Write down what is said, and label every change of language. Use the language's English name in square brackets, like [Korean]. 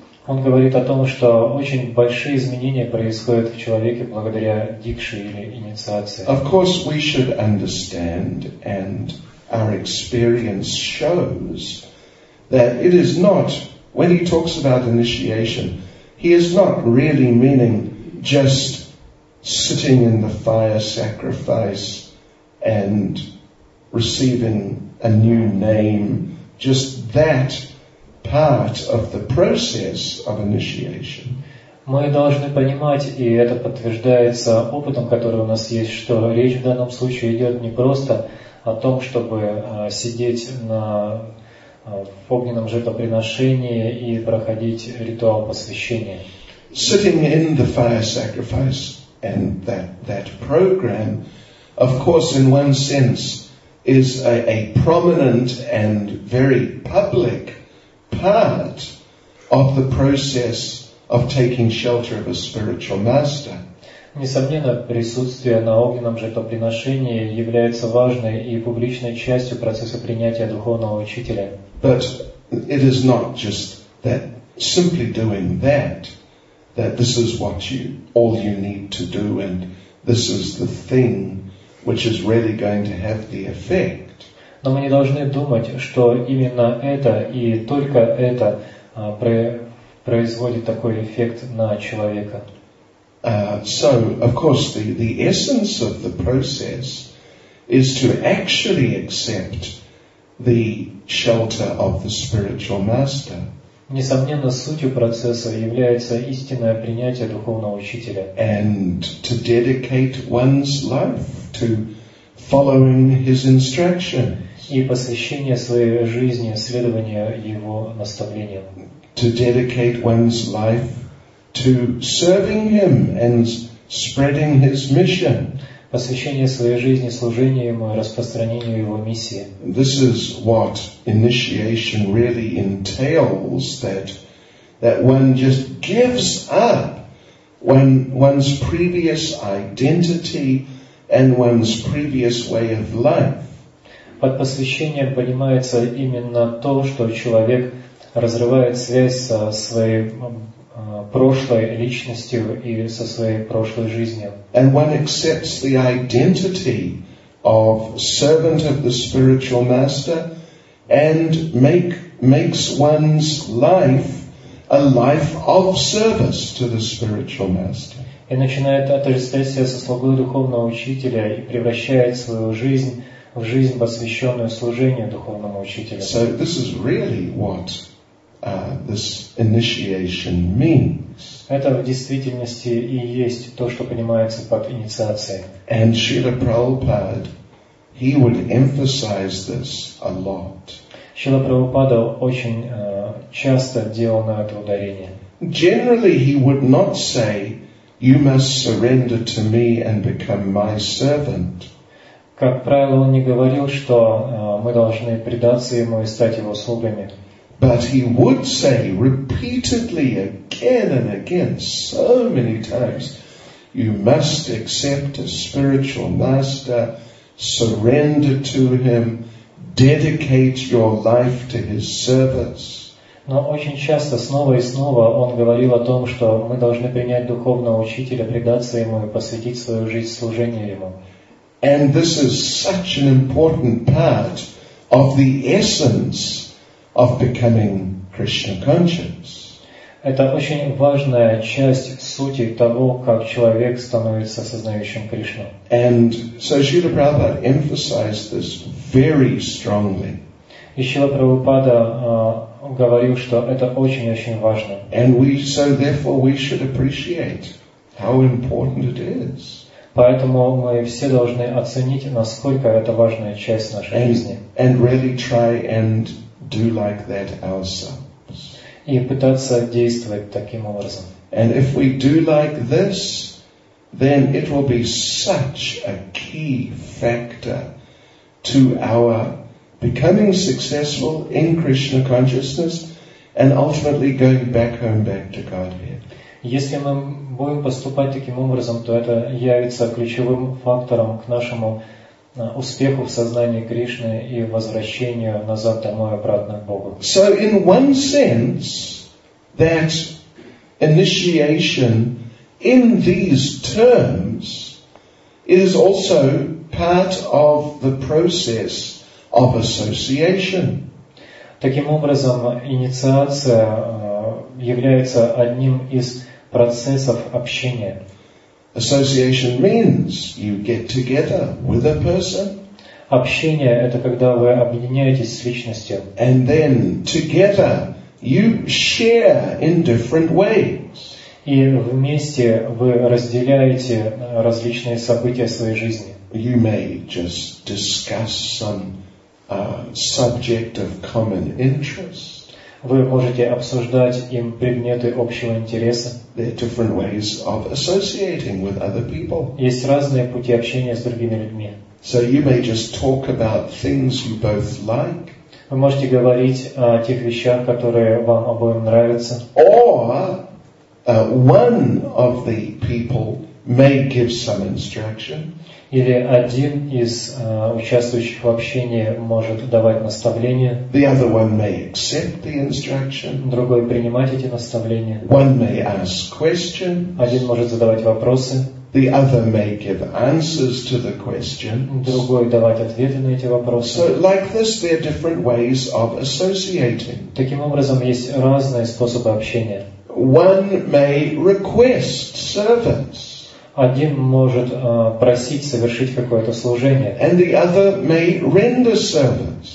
[Russian] Он говорит о том, что очень большие изменения происходят в человеке благодаря дикше или инициации. [English] Of course, we should understand, and our experience shows that it is not, when he talks about initiation, he is not really meaning just sitting in the fire sacrifice and receiving a new name, just that part of the process of initiation. [Russian] Мы должны понимать, и это подтверждается опытом, который у нас есть, что речь в данном случае идет не просто о том, чтобы сидеть на огненном жертвоприношении и проходить ритуал посвящения. [English] Sitting in the fire sacrifice and that program, of course, in one sense, is a prominent and very public part of the process of taking shelter of a spiritual master. [Russian] Несомненно, присутствие на огненном жертвоприношении является важной и публичной частью процесса принятия духовного учителя. [English] But it is not just that simply doing that this is what all you need to do and this is the thing which is really going to have the effect. [Russian] Но мы не должны думать, что именно это и только это производит такой эффект на человека. [English] So, of course, the essence of the process is to actually accept the shelter of the spiritual master. [Russian] Несомненно, сутью процесса является истинное принятие духовного учителя. [English] And to dedicate one's life to following his instruction. [Russian] И посвящение своей жизни следованию его наставлениям. [English] To dedicate one's life to serving him and spreading his mission. [Russian] Посвящение своей жизни служению ему и распространению его миссии. [English] This is what initiation really entails, that one just gives up one's previous identity and one's previous way of life. [Russian] Под посвящением понимается именно то, что человек разрывает связь со своей прошлой личностью и со своей прошлой жизнью. [English] And one accepts the identity of servant of the spiritual master and makes one's life a life of service to the spiritual master. [Russian] И начинает отождествлять себя со слугой духовного учителя и превращает свою жизнь в жизнь, посвященную служению духовному учителю. [English] So this is really what this initiation means. [Russian] Это в действительности и есть то, что понимается под инициацией. [English] And Srila Prabhupada, he would emphasize this a lot. [Russian] Srila Prabhupada очень часто делал на это ударение. [English] Generally, he would not say, "You must surrender to me and become my servant." [Russian] Как правило, он не говорил, что мы должны предаться ему и стать его слугами. [English] But he would say repeatedly, again and again, so many times, "You must accept a spiritual master, surrender to him, dedicate your life to his service." [Russian] Но очень часто, снова и снова, он говорил о том, что мы должны принять духовного учителя, предаться ему и посвятить свою жизнь служению ему. [English] And this is such an important part of the essence of becoming Krishna conscious. [Russian] Это очень важная часть сути того, как человек становится сознающим Кришну. [English] And so Srila Prabhupada emphasized this very strongly. [Russian] И Шрила Прабхупада говорил, что это очень-очень важно. [English] And we, so therefore we should appreciate how important it is. [Russian] Поэтому мы все должны оценить, насколько это важная часть нашей жизни. [English] And really try and do like that ourselves. [Russian] И пытаться действовать таким образом. [English] And if we do like this, then it will be such a key factor to our becoming successful in Krishna consciousness and ultimately going back home, back to Godhead. [Russian] Если мы будем поступать таким образом, то это явится ключевым фактором к нашему успеху в сознании Кришны и возвращению назад домой обратно к Богу. [English] So in one sense, that initiation in these terms is also part of the process of association. [Russian] Таким образом, инициация является одним из процессов общения. [English] Association means you get together with a person. [Russian] Общение — это когда вы объединяетесь с личностью. [English] And then together you share in different ways. [Russian] И вместе вы разделяете различные события своей жизни. [English] You may just discuss some subject of common interest. [Russian] Вы можете обсуждать им предметы общего интереса. [English] There are different ways of associating with other people. [Russian] Есть разные пути общения с другими людьми. [English] So you may just talk about things you both like. [Russian] Вы можете говорить о тех вещах, которые вам обоим нравятся. [English] Or one of the people may give some instruction. [Russian] Или один из участвующих в общении может давать наставление. [English] The other one may accept the instruction. [Russian] Другой принимать эти наставления. [English] One may ask questions. [Russian] Один может задавать вопросы. [English] The other may give answers to the question. [Russian] Другой давать ответы на эти вопросы. [English] So like this, there are different ways of associating. [Russian] Таким образом, есть разные способы общения. [English] One may request service. [Russian] Один может просить совершить какое-то служение, [English] and the other may render service.